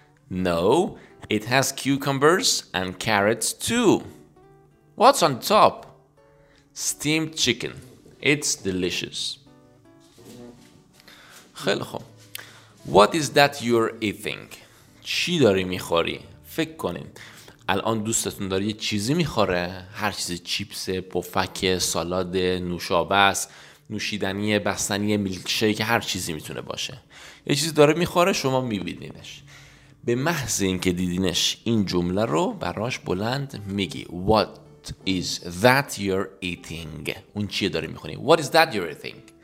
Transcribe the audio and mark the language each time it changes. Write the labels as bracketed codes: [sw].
[en] No, it has cucumbers and carrots too. What's on top? Steamed chicken. It's delicious. [fa] خیلی خوب. [en] What is that you're eating? [fa] چی داری میخوری؟ فکر کنین. الان دوستتون داره یه چیزی میخوره. هر چیزی، چیپس، پفک، سالاد، نوشابه، نوشیدنی، بستنی، میلکشیک، هر چیزی میتونه باشه. یه چیزی داره میخوره، شما میبینینش. به محض اینکه دیدینش این جمله رو براش بلند میگی. [en] What is that you're eating? [fa] اون چیه داری میخونی؟ [en] What is that you're eating?